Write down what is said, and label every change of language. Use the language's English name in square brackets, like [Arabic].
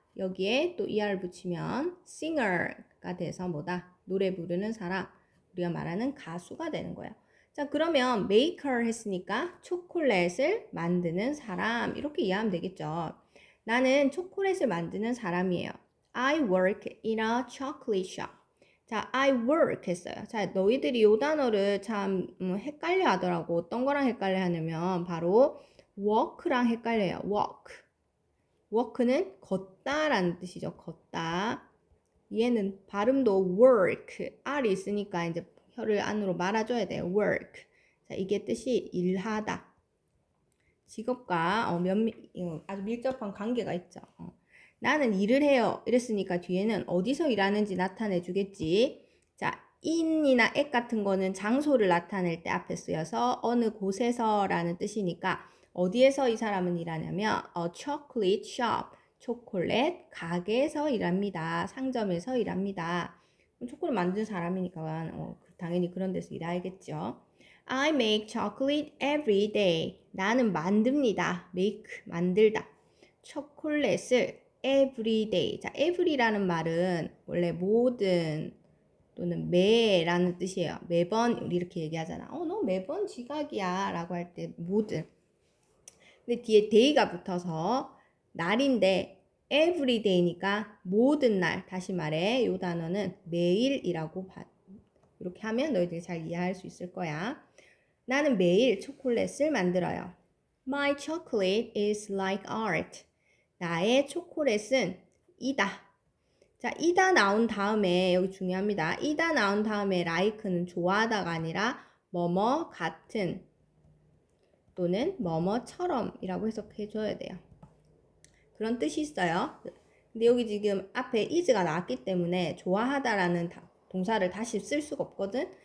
[Korean] 여기에 또 er을 붙이면 singer가 돼서 뭐다? 노래 부르는 사람. 우리가 말하는 가수가 되는 거예요. 자, 그러면 maker 했으니까 초콜릿을 만드는 사람. 이렇게 이해하면 되겠죠? 나는 초콜릿을 만드는 사람이에요. [English] I work in a chocolate shop. [Korean] 자, I work 했어요. 자, 너희들이 이 단어를 참 헷갈려 하더라고. 어떤 거랑 헷갈려 하냐면 바로 walk랑 헷갈려요. [English] walk. [Korean] walk는 걷다라는 뜻이죠. 걷다. 얘는 발음도 work. R이 있으니까 이제 혀를 안으로 말아줘야 돼요. work. 자, 이게 뜻이 일하다. 직업과 아주 밀접한 관계가 있죠. 나는 일을 해요. 이랬으니까 뒤에는 어디서 일하는지 나타내 주겠지. 자, in이나 at 같은 거는 장소를 나타낼 때 앞에 쓰여서 어느 곳에서라는 뜻이니까 어디에서 이 사람은 일하냐면 a chocolate shop, 초콜릿 가게에서 일합니다. 상점에서 일합니다. 초콜릿 만든 사람이니까 당연히 그런 데서 일해야겠죠. [English] I make chocolate every day. [Korean] 나는 만듭니다. make, 만들다. [English] 초콜릿을 every day. [Korean] 자, every라는 말은 원래 모든 또는 매라는 뜻이에요. 매번, 우리 이렇게 얘기하잖아. 너 매번 지각이야. 라고 할때 모든. 근데 뒤에 day가 붙어서 날인데 every day니까 모든 날. 다시 말해, 요 단어는 매일이라고 이렇게 하면 너희들이 잘 이해할 수 있을 거야. 나는 매일 초콜릿을 만들어요. [English] My chocolate is like art. [Korean] 나의 초콜릿은 이다. 자, 이다 나온 다음에, 여기 중요합니다. 이다 나온 다음에 like는 좋아하다가 아니라, 뭐뭐 같은 또는 뭐뭐처럼이라고 해석해줘야 돼요. 그런 뜻이 있어요. 근데 여기 지금 앞에 is가 나왔기 때문에 좋아하다라는 동사를 다시 쓸 수가 없거든.